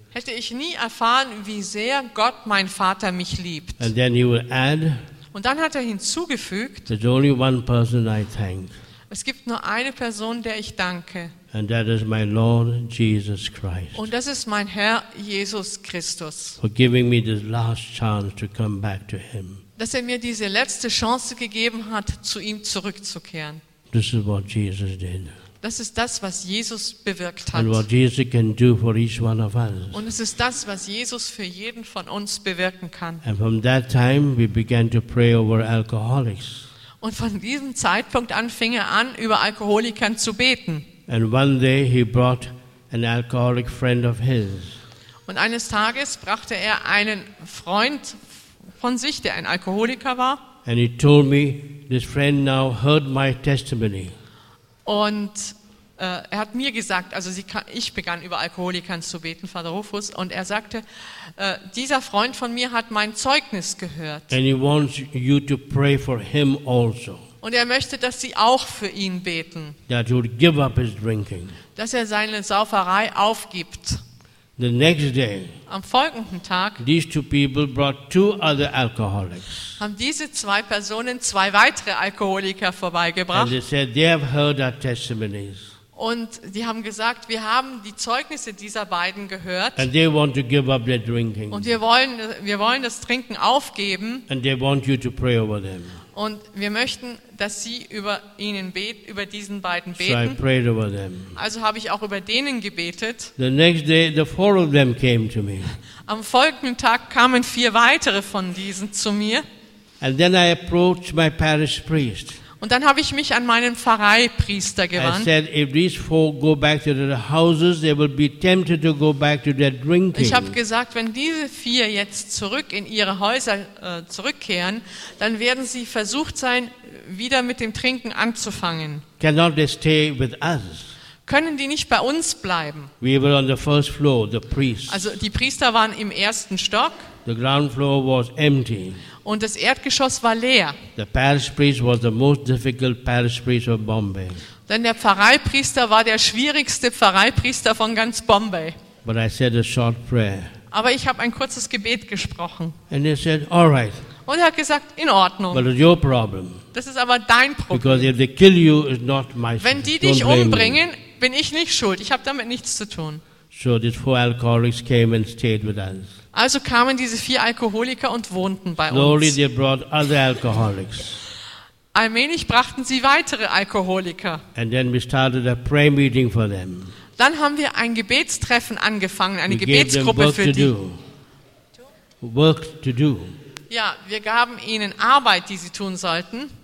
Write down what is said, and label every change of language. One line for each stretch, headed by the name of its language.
German: Hätte ich nie erfahren, wie sehr Gott, mein Vater, mich liebt.
English: And then he will add,
German: und dann hat er hinzugefügt,
English: there's only one person I thank.
German: Es gibt nur eine Person, der ich danke.
English: And that is my Lord Jesus Christ.
German: Und das ist mein Herr Jesus Christus.
English: For giving me this last chance to come back to him.
German: Dass er mir diese letzte Chance gegeben hat, zu ihm zurückzukehren.
English: This is what Jesus did.
German: Das ist das, was Jesus bewirkt hat.
English: And what Jesus can do for each one of us.
German: Und es ist das, was Jesus für jeden von uns bewirken kann.
English: And from that time we began to pray over alcoholics.
German: Und von diesem Zeitpunkt an fing er an, über Alkoholikern zu beten.
English: And one day he brought an alcoholic friend of his.
German: Und eines Tages brachte er einen Freund von sich, der ein Alkoholiker war.
English: And he told me, this friend now heard my testimony.
German: Und er hat mir gesagt, also ich begann über Alkoholikern zu beten, Father Rufus, und er sagte, dieser Freund von mir hat mein Zeugnis gehört.
English: And he wants you to pray for him also.
German: Und er möchte, dass Sie auch für ihn beten.
English: That he would give up his drinking.
German: Dass er seine Sauferei aufgibt.
English: The next day,
German: am folgenden Tag,
English: these two people brought two other alcoholics.
German: Haben diese zwei Personen zwei weitere Alkoholiker vorbeigebracht.
English: And they said they have heard our testimonies.
German: Und die haben gesagt, wir haben die Zeugnisse dieser beiden gehört.
English: And they want to give up their drinking.
German: Und wir wollen das Trinken aufgeben.
English: And they want you to pray over them.
German: Und wir möchten, dass Sie über ihnen beten, über diesen beiden beten.
English: So I prayed over them.
German: Also habe ich auch über denen gebetet.
English: The next day, the four of them came to me.
German: Am folgenden Tag kamen vier weitere von diesen zu mir.
English: And then I approached my parish priest.
German: Und dann habe ich mich an meinen Pfarreipriester gewandt.
English: I said, if these four go back to their houses, they will be tempted to go back to their drinking.
German: Ich habe gesagt, wenn diese vier jetzt zurück in ihre Häuser zurückkehren, dann werden sie versucht sein, wieder mit dem Trinken anzufangen.
English: Cannot they stay with us?
German: Können die nicht bei uns bleiben?
English: We were on the first floor, the priests.
German: Also die Priester waren im ersten Stock.
English: The ground floor was empty.
German: Und das Erdgeschoss war leer.
English: The parish priest was the most difficult parish priest of Bombay.
German: Denn der Pfarreipriester war der schwierigste Pfarreipriester von ganz Bombay.
English: But I said a short prayer.
German: Aber ich habe ein kurzes Gebet gesprochen.
English: And he said, all right.
German: Und er hat gesagt, in Ordnung.
English: But it's your problem.
German: Das ist aber dein Problem.
English: Because if they kill you, it's not my fault.
German: Wenn die dich umbringen, bin ich nicht schuld. Ich habe damit nichts zu tun.
English: So these four alcoholics came and stayed with us.
German: Also kamen diese vier Alkoholiker und wohnten bei uns.
English: Slowly they brought other alcoholics.
German: Allmählich brachten sie weitere Alkoholiker.
English: And then we started a prayer meeting for them.
German: Dann haben wir ein Gebetstreffen angefangen, eine Gebetsgruppe für die.
English: Work to do.
German: Ja, wir gaben ihnen Arbeit, die sie tun sollten.